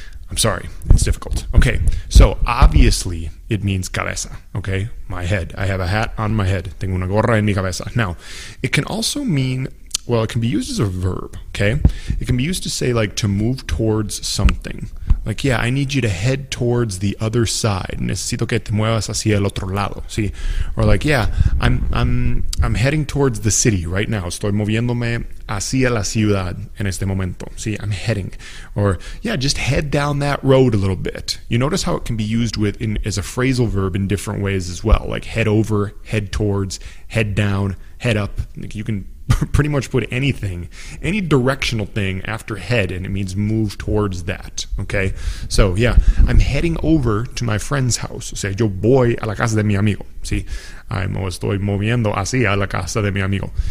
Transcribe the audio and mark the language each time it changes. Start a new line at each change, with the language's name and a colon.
English: I'm sorry, it's difficult. Okay, so obviously it means cabeza, okay? My head. I have a hat on my head.
Spanish: Tengo una gorra en mi cabeza.
English: Now, it can also mean, well, it can be used as a verb, okay? It can be used to say like to move towards something. Like, yeah, I need you to head towards the other side.
Spanish: Necesito que te muevas hacia el otro lado. ¿Sí?
English: Or like, yeah, I'm heading towards the city right now.
Spanish: Estoy moviéndome hacia la ciudad en este momento. ¿Sí?
English: I'm heading. Or, yeah, just head down that road a little bit. You notice how it can be used with as a phrasal verb in different ways as well. Like head over, head towards, head down, head up. Like you can pretty much put anything, any directional thing after head, and it means move towards that, okay? So, yeah, I'm heading over to my friend's house.
Spanish: O sea, yo voy a la casa de mi amigo. ¿Sí? Estoy moviendo hacia la casa de mi amigo.